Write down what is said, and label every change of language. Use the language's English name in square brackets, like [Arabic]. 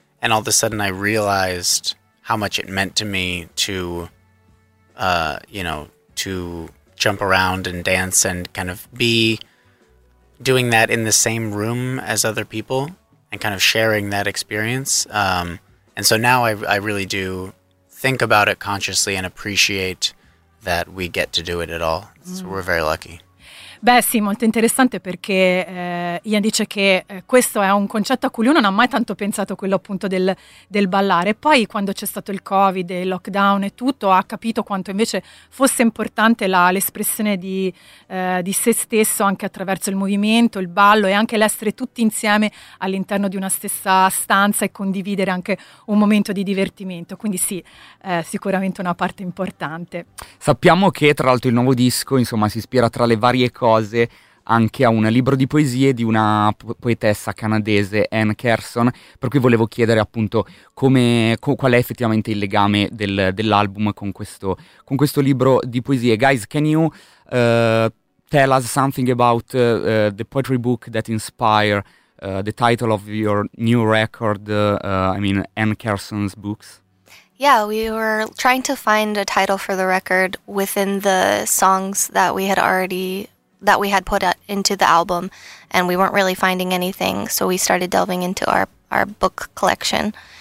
[English] And all of a sudden I realized how much it meant to me to, you know, to jump around and dance and kind of be doing that in the same room as other people and kind of sharing that experience. And so now I really do think about it consciously and appreciate that we get to do it at all. So we're very lucky. [Italian] Beh sì, molto interessante, perché Ian dice che questo è un concetto a cui lui non ha mai tanto pensato, quello appunto del ballare. Poi quando c'è stato il Covid e il lockdown e tutto, ha capito quanto invece fosse importante l'espressione di se stesso anche attraverso il movimento, il ballo e anche l'essere tutti insieme all'interno di una stessa stanza e condividere anche un momento di divertimento. Quindi sì, sicuramente una parte importante. Sappiamo che tra l'altro il nuovo disco, insomma, si ispira tra le varie cose anche a un libro di poesie di una poetessa canadese, Anne Carson, per cui volevo chiedere appunto qual è effettivamente il legame dell'album con questo libro di poesie. [English] Guys, can you tell us something about the poetry book that inspired the title of your new record, Anne Carson's books? Yeah, we were trying to find a title for the record within the songs that we had already that we had put into the album, and we weren't really finding anything, so we started delving into our book collection.